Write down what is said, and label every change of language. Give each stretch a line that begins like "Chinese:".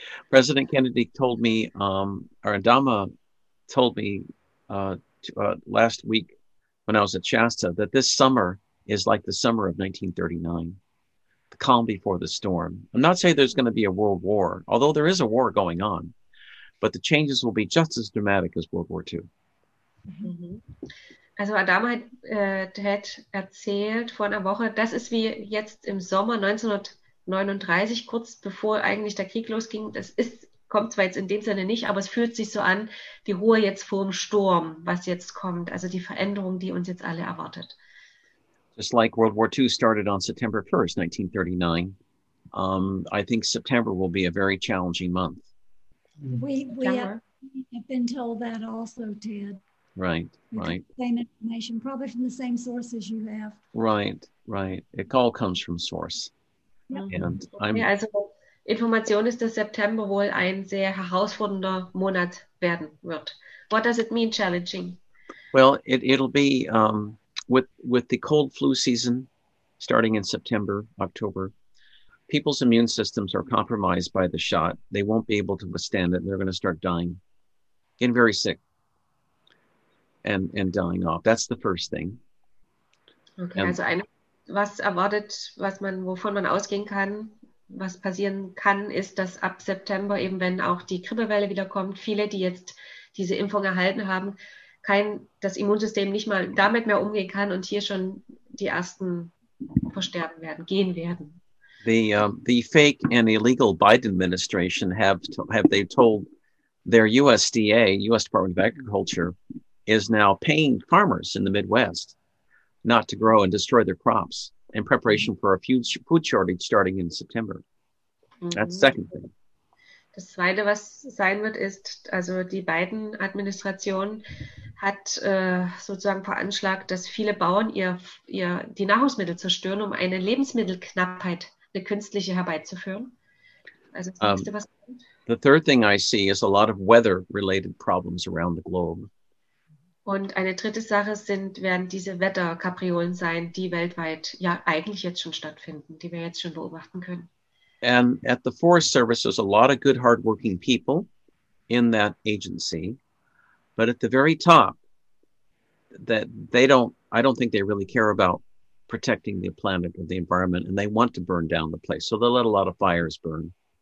English: President Kennedy told me, or Adama told me last week when I was at Shasta, that this summer is like the summer of 1939, the calm before the storm. I'm not saying there's going to be a world war, although there is a war going on, but the changes will be just as dramatic as World War II. Mm-hmm.
German: Also Adam hat erzählt vor einer Woche, das ist wie jetzt im Sommer 1939, kurz bevor eigentlich der Krieg losging. Das ist kommt zwar jetzt in dem Sinne nicht, aber es fühlt sich so an, die Ruhe jetzt vor dem Sturm, was jetzt kommt, also die Veränderung, die uns jetzt alle erwartet.
English: Just like World War II started on September 1st, 1939, I think September will be a very challenging month. We have been told that also, Ted. Right, right. Same information, probably from the same sources you have. Right, right. It all comes from source. Yep. And I'm...
German: Ja, also Information ist, dass September wohl ein sehr herausfordernder Monat werden wird.
English: What does it mean, challenging? Well, it'll be with the cold flu season starting in September, October, people's immune systems are compromised by the shot. They won't be able to withstand it. And they're going to start dying, getting very sick and dying off. That's the first thing. Okay, and,
German: also eine, was erwartet, was man, wovon man ausgehen kann, was passieren kann, ist, dass ab September, eben wenn auch die Grippewelle wiederkommt, viele, die jetzt diese Impfung erhalten haben, das Immunsystem nicht mal damit mehr umgehen kann und hier schon die ersten versterben werden, gehen werden.
English: The fake and illegal Biden administration have they told their USDA, U.S. Department of Agriculture, is now paying farmers in the Midwest not to grow and destroy their crops in preparation for a food shortage starting in September. That's the second thing.
German: Das Zweite, was sein wird, ist, also die Biden-Administration hat sozusagen veranschlagt, dass viele Bauern die Nahrungsmittel zerstören, um eine Lebensmittelknappheit, eine künstliche, herbeizuführen. Also das Nächste, was kommt.
English: The third thing I see is a lot of weather-related problems around the globe.
German: Und eine dritte Sache werden diese Wetterkapriolen sein, die weltweit ja eigentlich jetzt schon stattfinden, die wir jetzt schon beobachten können.
English: And at the Forest Service, there's a lot of good, hardworking people in that agency. But at the very top, that they don't, I don't think they really care about protecting the planet or the environment, and they want to burn down the place. So they'll let a lot of fires burn.